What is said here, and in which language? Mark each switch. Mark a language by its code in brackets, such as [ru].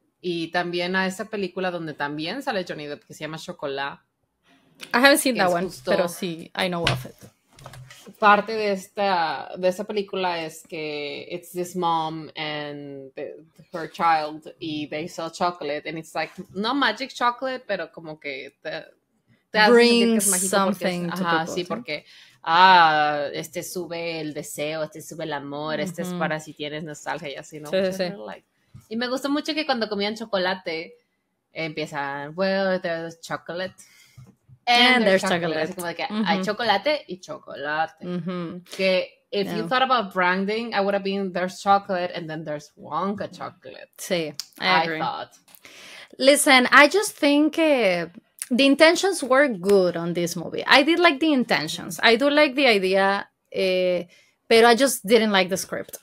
[es] Y también a esa película donde también sale Johnny Depp, que se llama Chocolat. [en] I haven't seen that one, pero sí, I know of it. [es] Parte de esa película es que [en] it's this mom and her child, y they sell chocolate, and it's like, no magic chocolate, pero como que... brings something [es] porque, [en] to people. [es] Sí, porque sube el deseo, sube el amor, este es para si tienes nostalgia y así, ¿no? Sí, sí. Y me gustó mucho que cuando comían chocolate empiezan, [en] well, there's chocolate. And there's chocolate. [es] Así como de que hay chocolate y chocolate. [en] Que if you thought about branding, I would have been there's chocolate and then there's Wonka chocolate. Sí, I agree. Listen, I just think the intentions were good on this movie. I did like the intentions. I do like the idea, but I just didn't like the script.